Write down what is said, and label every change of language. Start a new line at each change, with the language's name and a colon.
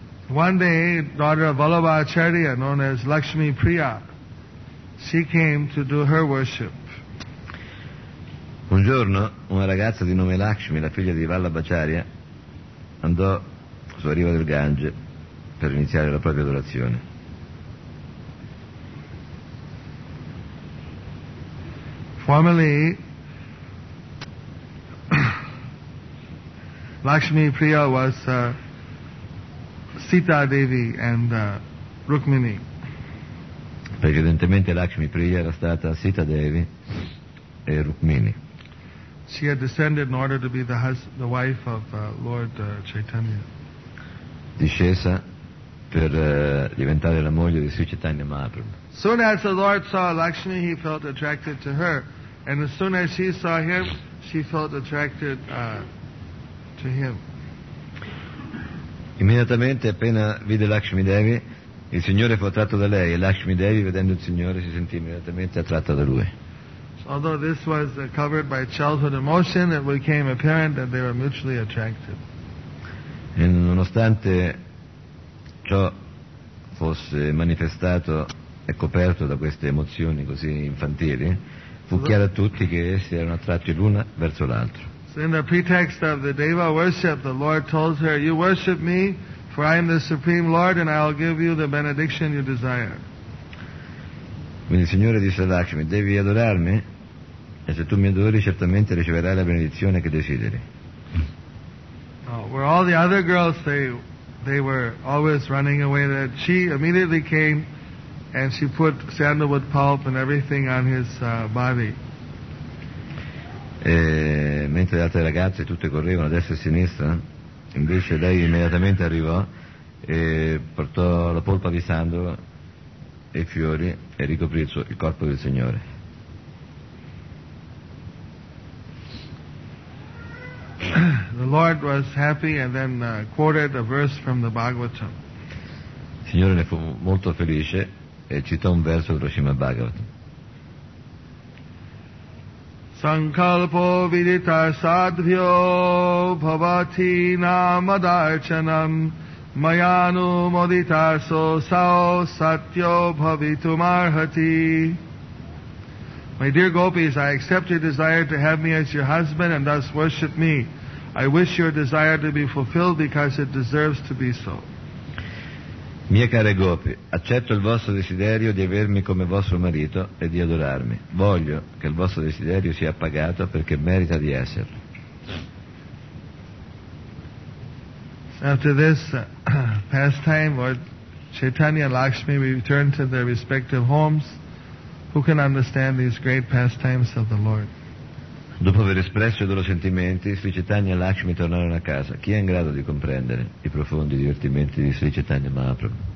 English: One day, daughter of Vallabha Acharya, known as Lakshmi Priya, she came to do her worship.
Italian: Un giorno, una ragazza di nome Lakshmi, la figlia di Vallabha Acharya, andò sulla riva del Gange per iniziare la propria adorazione.
English: Formerly, Lakshmi Priya was Sita Devi and Rukmini.
Italian: Precedentemente Lakshmi Priya era stata Sita Devi e Rukmini.
English: She had descended in order to be the wife of Lord Chaitanya.
Italian: Discesa per diventare la moglie di Sri Chaitanya Mahaprabhu.
English: Soon as the Lord saw Lakshmi, he felt attracted to her. And as soon as she saw him, she felt attracted to him.
Italian: Immediatamente appena vide Lakshmi Devi, il Signore fu attratto da lei, e Lakshmi Devi, vedendo il Signore, si sentì immediatamente attratta da lui.
English: Although this was covered by childhood emotion, it became apparent that they were mutually attracted.
Italian: E nonostante ciò fosse manifestato e coperto da queste emozioni così infantili, fu chiaro a tutti che essi erano attratti l'una verso l'altro.
English: In the pretext of the Deva worship, the Lord told her, you worship me, for I am the Supreme Lord, and I will give you the benediction you desire.
Italian: Quindi il Signore disse a Lakshmi, devi adorarmi, e se tu mi adori, certamente riceverai la benedizione che desideri.
English: Now, where all the other girls, they were always running away, that she immediately came and she put sandalwood pulp and everything on his body.
Italian: E mentre le altre ragazze tutte correvano a destra e a sinistra, invece lei immediatamente arrivò e portò la polpa di sandalo e i fiori e ricoprì il corpo del Signore.
English: The Lord was happy and then quoted a verse from the Bhagavatam.
Italian: Il Signore ne fu molto felice e citò un verso dello Srimad Bhagavatam.
Sanskrit: Sankalpo vidita sadhyo bhavati namadarchanam mayanu modita so sao satyo bhavitumarhati.
English: My dear gopis, I accept your desire to have me as your husband and thus worship me. I wish your desire to be fulfilled because it deserves to be so.
Italian: Mie care gopi, accetto il vostro desiderio di avermi come vostro marito e di adorarmi. Voglio che il vostro desiderio sia pagato perché merita di esserlo.
English: After this pastime, Lord Chaitanya and Lakshmi returned to their respective homes. Who can understand these great pastimes of the Lord?
Italian: Dopo aver espresso i loro sentimenti, Sri Chaitanya e Lakshmi tornarono a casa. Chi è in grado di comprendere i profondi divertimenti di Sri Chaitanya Mahaprabhu?